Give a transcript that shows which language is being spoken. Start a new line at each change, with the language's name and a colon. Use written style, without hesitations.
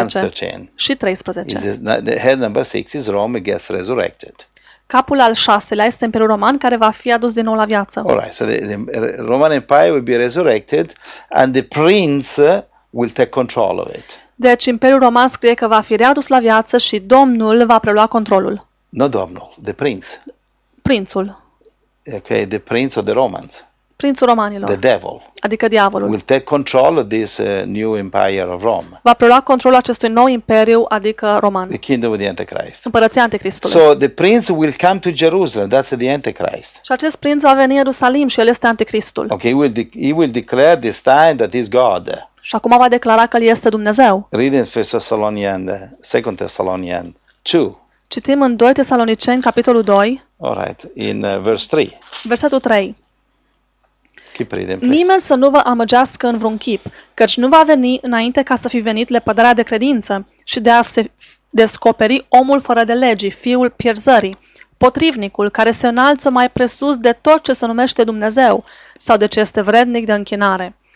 English: And 13.
Romanian: Și 13.
English: The head number 6 is Rome, it gets resurrected.
Romanian: Capul al șaselea este Imperiul Roman care va fi adus din nou la viață.
English: All right, so the Roman Empire will be resurrected and the prince will take control of it.
Romanian: Deci Imperiul Roman scrie că va fi readus la viață și domnul va prelua controlul. Nu domnul,
English: the prince.
Romanian: Prințul.
English: Okay, the prince of the Romans.
Romanian: prințul romanilor.
English: The devil.
Romanian: Adică diavolul.
English: Will take control of this new empire of Rome.
Romanian: Va prelua controlul acestui nou imperiu, adică roman.
English: The kingdom of the Antichrist.
Romanian: Împărăția Antichristului.
English: So the prince will come to Jerusalem. That's the Antichrist.
Romanian: Și acest prinț va veni în Ierusalim și el este Antichristul.
English: Okay, he will declare this time that he's God.
Romanian: Și acum va declara că el este Dumnezeu.
English: Read in 1 Thessalonians, 2 Thessalonians 2.
Romanian: Citim în 2 Tesaloniceni, capitolul 2.
English: All right, in verse 3.
Romanian: Versetul 3.
English: Keep reading, please.
Romanian: Nimeni să nu vă amăgească în vreun chip, căci nu va veni înainte ca să fi venit lepădarea de credință și de a se descoperi omul fără de legi, fiul pierzării, potrivnicul care se înalță mai presus de tot ce se numește Dumnezeu sau de ce este vrednic de închinare.